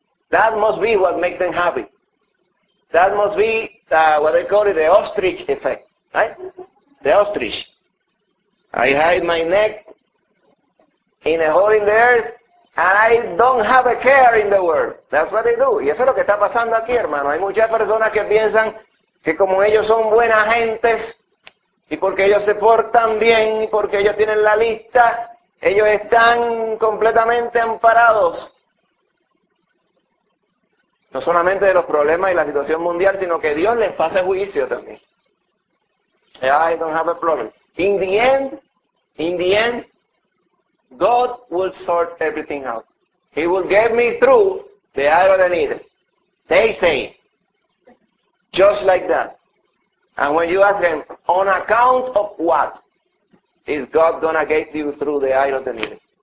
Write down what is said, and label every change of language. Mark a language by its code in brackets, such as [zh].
[en] That must be what makes them happy. That must be what they call it, the ostrich effect, right? The ostrich. I hide my neck in a hole in the earth, and I don't have a care in the world. That's what they do. [es] Y eso es lo que está pasando aquí, hermano. Hay muchas personas que piensan que como ellos son buenas gentes, y porque ellos se portan bien, y porque ellos tienen la lista, ellos están completamente amparados. No solamente de los problemas y la situación mundial, sino que Dios les pase juicio también. [en] I don't have a problem. In the end, God will sort everything out. He will get me through the eye of the needle. They say, just like that. And when you ask them, on account of what is God gonna get you through the eye of the needle?